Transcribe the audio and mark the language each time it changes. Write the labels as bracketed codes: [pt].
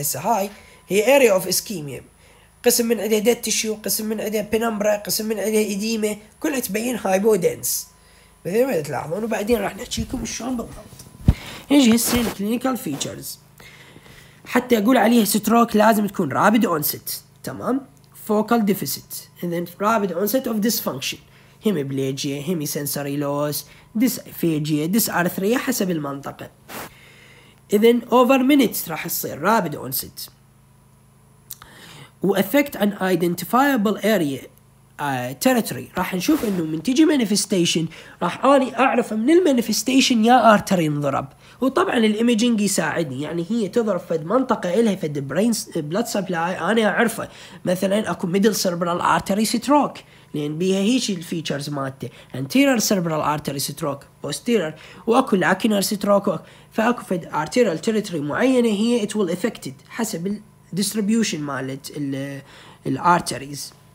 [ar] هسه هاي هي اريا اوف اسكيميا، قسم من عدها ديد تيشو، قسم من عدها بنمبرا، قسم من عدها اديما، كلها تبين هايبودنس مثل ما تلاحظون. وبعدين راح نحكيكم شلون بالضبط. نجي هسه الكلينيكال فيتشرز، حتى اقول عليها ستروك لازم تكون رابيد اونست. [en] تمام focal deficit and then rapid onset of dysfunction hemiplegia hemisensory loss dysphagia dysarthria [ar] حسب المنطقة. [en] إذن over minutes [ar] راح يصير [en] rapid onset و effect an identifiable area territory. [ar] راح نشوف انه من تجي manifestation راح اني اعرف من المانيفستيشن يا artery انضرب. وطبعا الايمجينج يساعدني يعني هي تضرب في منطقه الها في البرين بلاد سبلاي انا اعرفه، مثلا اكو ميدل سيربرال ارتري ستروك لان بيها هيش الفيتشرز مالته، انتيرير سيربرال ارتري ستروك بوستيرير، واكو لاكنر ستروك، فاكو في ارتيريال تريتوري معينه هي ات ويل افكتد حسب الديستريبيوشن مالت الارتريز.